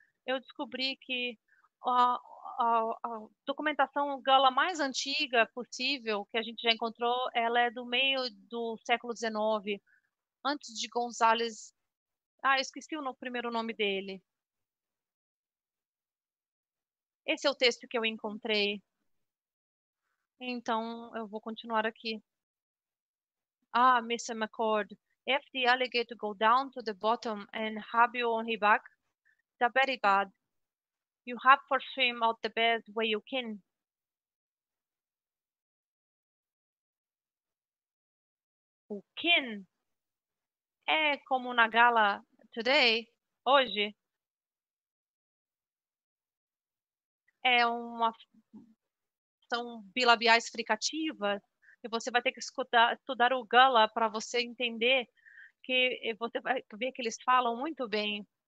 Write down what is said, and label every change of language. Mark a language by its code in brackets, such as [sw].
[pt] Eu descobri que a documentação gala mais antiga possível que a gente já encontrou, ela é do meio do século XIX, antes de Gonzales. Ah, esqueci o primeiro nome dele. Esse é o texto que eu encontrei. Então, eu vou continuar aqui. Ah, Mr. McCord. [en] If the alligator go down to the bottom and have you on his back, that very bad. You have for swim out the best way you can. [pt] O can é como na gala today, hoje. É uma. São bilabiais fricativas, e você vai ter que estudar o gala para você entender que você vai ver que eles falam muito bem.